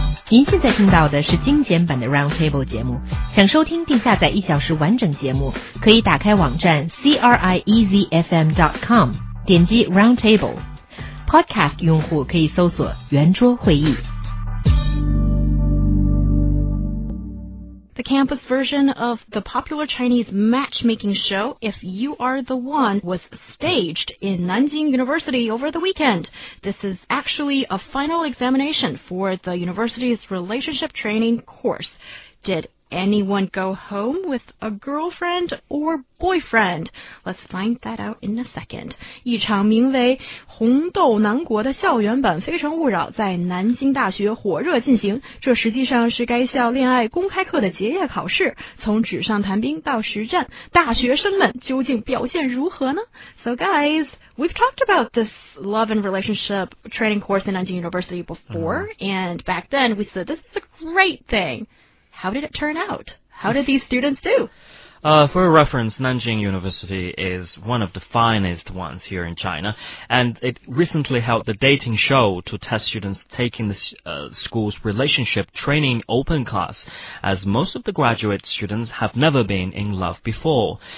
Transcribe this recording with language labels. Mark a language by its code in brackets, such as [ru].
[zh] 您现在听到的是精简版的 Roundtable 节目，想收听并下载一小时完整节目，可以打开网站 CRIEZFM.com 点击 Roundtable。 Podcast 用户可以搜索圆桌会议。 [en] The campus version of the popular Chinese matchmaking show If You Are the One was staged in Nanjing University over the weekend. This is actually a final examination for the university's relationship training course. Did anyone go home with a girlfriend or boyfriend? Let's find that out in a second. [zh] 一场名为《红豆南国》的校园版《非诚勿扰》在南京大学火热进行，这实际上是该校恋爱公开课的结业考试。从纸上谈兵到实战，大学生们究竟表现如何呢？ [en] So guys, we've talked about this love and relationship training course in Nanjing University before, and back then we said this is a great thing. How did it turn out? How did these students do? For reference, Nanjing University is one of the finest ones here in China, and it recently held the dating show to test students taking the school's relationship training open class, as most of the graduate students have never been in love before.